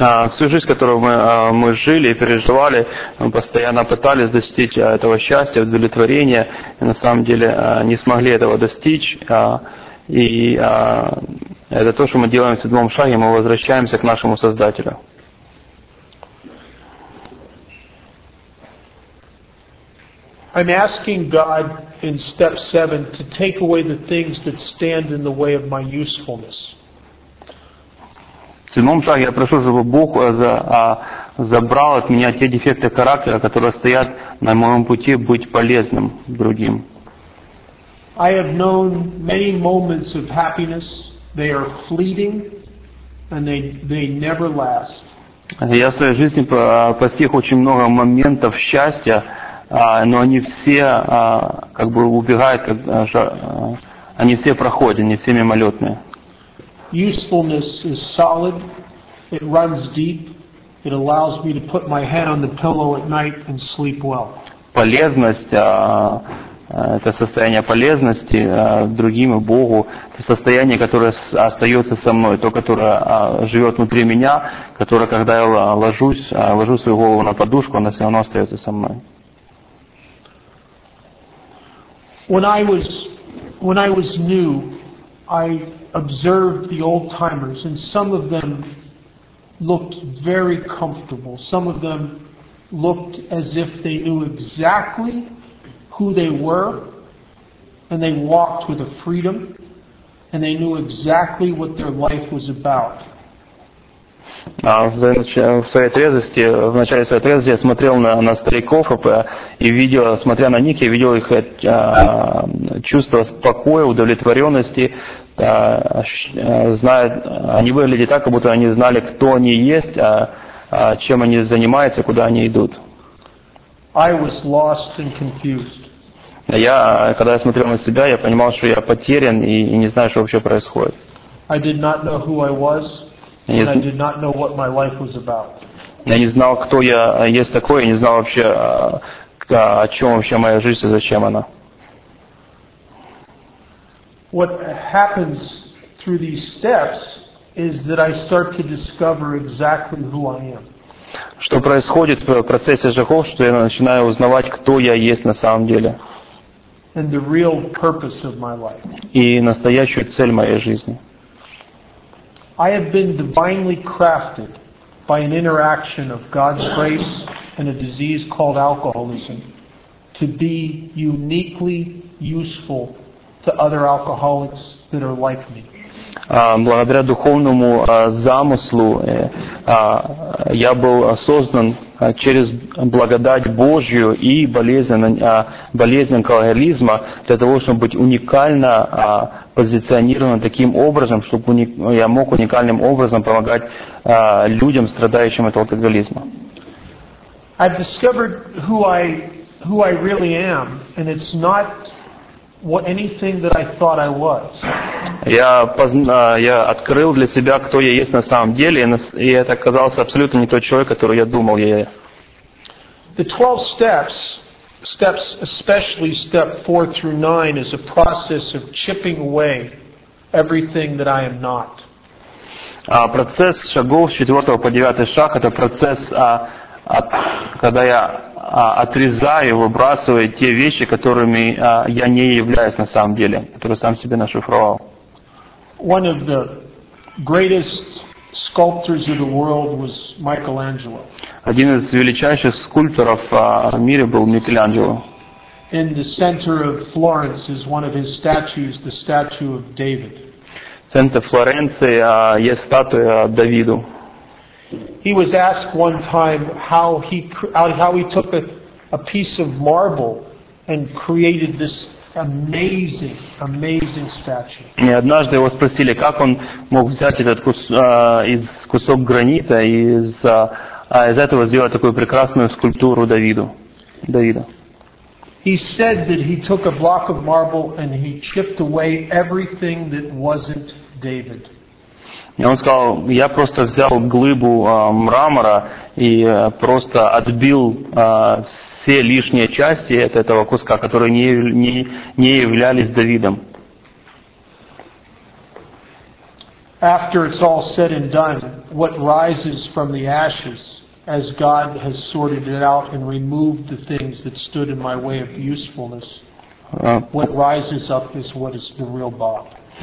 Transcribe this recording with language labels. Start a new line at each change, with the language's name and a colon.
Russian: Всю жизнь, которую мы жили и переживали, мы постоянно пытались достичь этого счастья, удовлетворения, и на самом деле не смогли этого достичь. Это то, что мы делаем в 7-м шаге, мы возвращаемся к нашему Создателю.
English: I'm asking God in step 7 to take away the things that stand in the way of my usefulness.
Russian: В 7-м шаге я прошу, чтобы Бог забрал от меня те дефекты характера, которые стоят на моем пути быть полезным другим.
English: I have known many moments of happiness. They are fleeting, and they never last.
Russian: Я в своей жизни постиг очень много моментов счастья, но они все как бы убегают, они все проходят, они все мимолетные.
English: Usefulness is solid, it runs deep, it allows me to put my head on the pillow at night and sleep well.
Russian: Полезность, это состояние полезности другим и Богу, это состояние, которое остается со мной, то, которое живет внутри меня, которое, когда я ложу свою голову на подушку, оно все равно остается со мной.
English: When I was new, I observed the old timers, and some of them looked very comfortable. Some of them looked as if they knew exactly who they were, and they walked with a freedom, and they knew exactly what their life was about.
Russian: В своей трезвости я смотрел на стариков и видел, смотря на них, я видел их чувство покоя, удовлетворенности, они выглядели так, как будто они знали, кто они есть, чем они занимаются, куда они идут.
English: I was lost and confused.
Russian: Я, когда я смотрел на себя, я понимал, что я потерян и не знаю, что вообще происходит.
English: I did not know who I was. And I did not know what my life was about.
Russian: Я не знал, кто я есть такой, я не знал вообще, о чем вообще моя жизнь и зачем она.
English: What happens through these steps is that I start to discover exactly who I am.
Russian: Что происходит в процессе шагов, что я начинаю узнавать, кто я есть на самом деле.
English: And the real purpose of my life.
Russian: И настоящую цель моей жизни.
English: I have been divinely crafted by an interaction of God's grace and a disease called alcoholism to be uniquely useful to other alcoholics that are like me.
Russian: Благодаря духовному замыслу я был создан через благодать Божью и болезнь алкоголизма для того, чтобы быть уникально позиционирован таким образом, чтобы я мог уникальным образом помогать людям, страдающим от алкоголизма.
English: I've discovered who I really am, and it's not what anything that I thought I was.
Russian: Я открыл для себя, кто я есть на самом деле, и это оказался абсолютно не тот человек, который я думал я.
English: The 12 steps, especially step 4 through 9, is a process of chipping away everything that I am not.
Russian: Процесс шагов с 4 по 9 шаг — это процесс, когда я отрезаю, выбрасываю те вещи, которыми я не являюсь на самом деле, которые сам себе нашифровал.
English: One of the greatest sculptors of the world was Michelangelo.
Russian: Один из величайших скульпторов в мире был Микеланджело.
English: In the center of Florence is one of his statues, the statue of David.
Russian: В центре Флоренции есть статуя Давиду.
English: He was asked one time how he took a piece of marble and created this amazing, amazing statue.
Russian: И однажды его спросили, как он мог взять этот кусок гранита из этого сделать такую прекрасную скульптуру Давида.
English: He said that he took a block of marble and he chipped away everything that wasn't David.
Russian: И он сказал, я просто взял глыбу мрамора и просто отбил все лишние части от этого куска, которые не являлись Давидом.
English: After it's all said and done, what rises from the ashes, as God has sorted it out and removed the things that stood in my way of usefulness, what rises up is what is the real Bob.